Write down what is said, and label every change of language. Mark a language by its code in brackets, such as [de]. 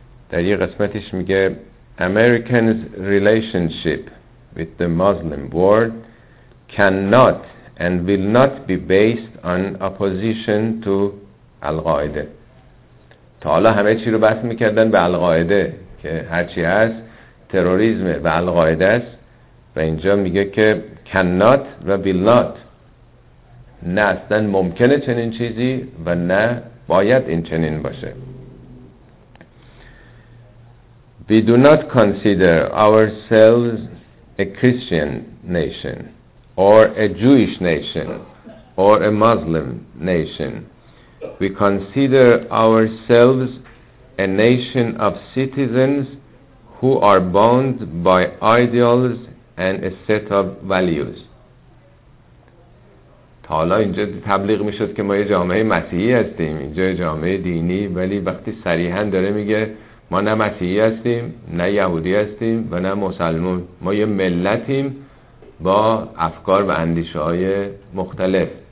[fa] در یه قسمتش میگه [en] Americans' relationship with the Muslim world cannot and will not be based on opposition to Al-Qaeda. [fa] تا حالا همه چی رو بس میکردن به Al-Qaeda که هرچی هست تروریسم و Al-Qaeda است، و اینجا میگه که [en] cannot [fa] و [en] will not، [fa] نه اصلا ممکنه چنین چیزی و نه باید این چنین باشه. [en] We do not consider ourselves a Christian nation or a Jewish nation or a Muslim nation. We consider ourselves a nation of citizens who are bound by ideals and a set of values. [fa] تا حالا اینجا تبلیغ میشد که ما یه جامعه مسیحی هستیم، اینجا یه جامعه دینی، ولی وقتی صریحا داره میگه ما نه مسیحی هستیم نه یهودی هستیم و نه مسلمان، ما یه ملتیم با افکار و اندیشه های مختلف.